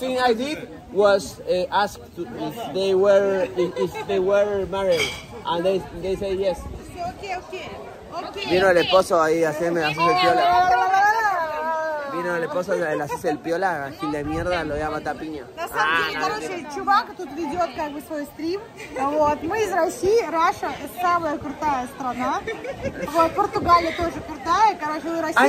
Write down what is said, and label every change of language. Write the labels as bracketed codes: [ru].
[en] thing I did was ask if they were married, and they say yes. Okay. [es] Vino el esposo ahí a hacerme el piola. Vino el esposo y le haces el piola, gil de mierda, lo voy a matar piña. [ru] Чувак тут ведет как бы свой стрим. Вот. Мы из России, Russia – самая крутая страна. Вот, Португалия тоже крутая, короче, вы Россия.